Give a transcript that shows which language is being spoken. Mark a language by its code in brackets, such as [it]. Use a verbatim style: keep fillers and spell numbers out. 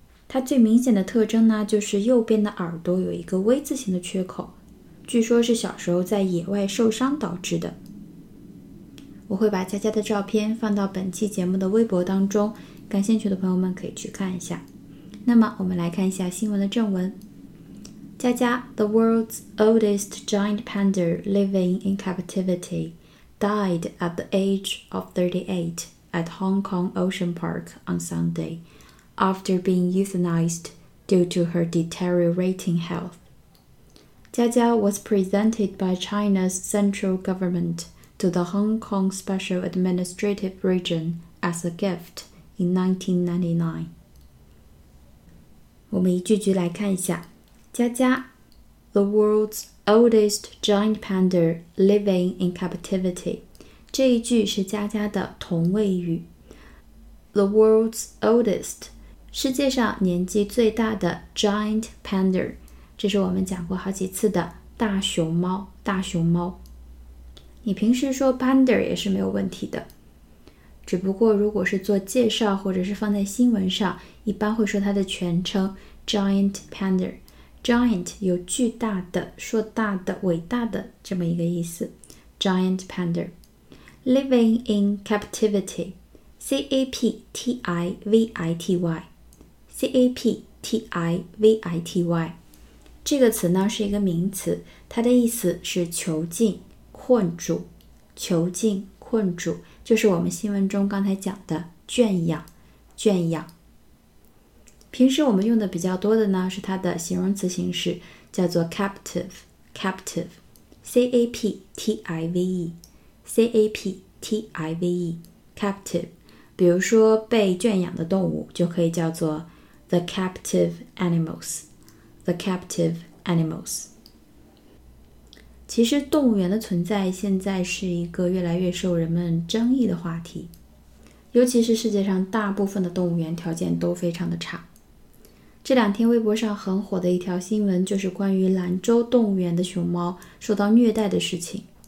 [zh] 它最明显的特征呢，就是右边的耳朵有一个 V 字形的缺口，据说是小时候在野外受伤导致的。我会把佳佳的照片放到本期节目的微博当中，感兴趣的朋友们可以去看一下。那么我们来看一下新闻的正文。 [en] 佳佳 the world's oldest giant panda living in captivity, died at the age of thirty-eight at Hong Kong Ocean Park on Sunday, after being euthanized due to her deteriorating health. Jia Jia was presented by China's central government to the Hong Kong Special Administrative Region as a gift in nineteen ninety-nine. [zh] 我们一句句来看一下。 [en] 佳佳 The world's oldest giant panda living in captivity， [zh] 这一句是佳佳的同位语。 [en] The world's oldest， [zh] 世界上年纪最大的 giant panda， 这是我们讲过好几次的大熊猫。大熊猫你平时说 panda 也是没有问题的，只不过如果是做介绍或者是放在新闻上，一般会说它的全称 Giant Panda。 Giant 有巨大的、硕大的、伟大的这么一个意思。 [en] Giant Panda Living in Captivity， [zh] C A P T I V I T Y C A P T I V I T Y 这个词呢是一个名词，它的意思是囚禁、困住。囚禁、困住就是我们新闻中刚才讲的圈养。圈养平时我们用的比较多的呢是它的形容词形式，叫做 captive。 captive C A P T I V E C A P T I V E captive， 比如说被圈养的动物就可以叫做 [en] the captive animals。 the captive animals。 [zh] 其实动物园的存在现在是一个越来越受人们争议的话题，尤其是世界上大部分的动物园条件都非常的差。这两天微博上很火的一条新闻就是关于兰州动物园的熊猫受到虐待的事情。